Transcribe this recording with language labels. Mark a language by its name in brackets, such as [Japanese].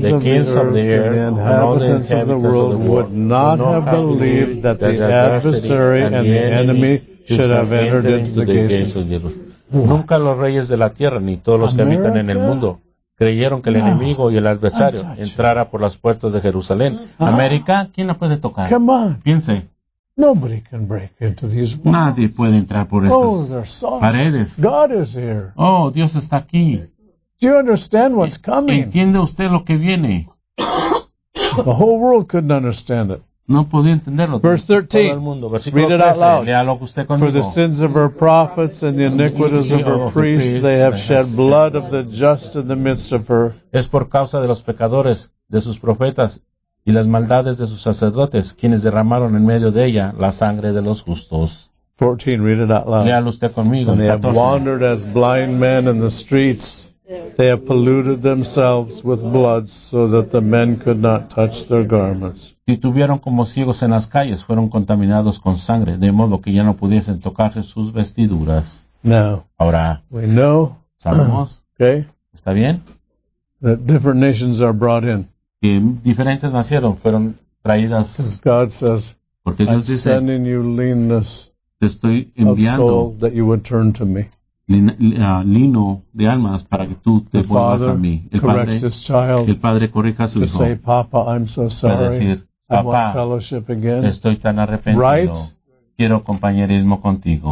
[English] The kings of the earth and the inhabitants of the world would not have believed that the adversary and the enemy should have entered into the gates of Jerusalem. [Spanish] Nunca los reyes de la tierra ni todos los que habitan en el mundo creyeron que el enemigo y el adversario entrara por las puertas de Jerusalén. América, ¿quién la puede tocar? [English] Come on. [Spanish] Piense. [English] Nobody can break into these walls. [Spanish] Nadie puede entrar por estas paredes. [English] God is here. [Spanish] Oh, Dios está aquí. [English] Do you understand what's coming? [Spanish] ¿Entiende usted lo que viene? [English] The whole world couldn't understand it. [Spanish] No podía entenderlo. [English] Verse 13. [Spanish] El mundo. [English] Read it out loud. [Spanish] Léalo usted conmigo. [English] For the sins of her prophets and the iniquities of her priests, they have shed blood of the just in the midst of her. [Spanish] Es por causa de los pecadores, de sus profetas, y las maldades de sus sacerdotes, quienes derramaron en medio de ella la sangre de los justos. [English] 14. Read it out loud. [Spanish] Léalo usted conmigo. [English] And they have wandered as blind men in the streets. They have polluted themselves with blood so that the men could not touch their garments. [Spanish] Si tuvieron como ciegos en las calles, fueron contaminados con sangre, de modo que ya no pudiesen tocarse sus vestiduras. [English] Now, [Spanish] ahora, [English] we know, [Spanish] sabemos, [English] okay, [Spanish] ¿está bien? [English] That different nations are brought in. [Spanish] Que diferentes nacieron, fueron traídas. [English] Because God says, [Spanish] porque Dios dice, [English] I'm sending you leanness, [Spanish] te estoy enviando, [English] of soul that you would turn to me. [Spanish] Lino de almas para que tú te vuelvas a mí. El padre, [English] his child, [Spanish] el padre corrija a su hijo. [English] Say, Papa, I'm so sorry. [Spanish] Para decir, papá, [English] fellowship again. [Spanish] Estoy tan arrepentido. [English] Right? [Spanish] Quiero compañerismo contigo.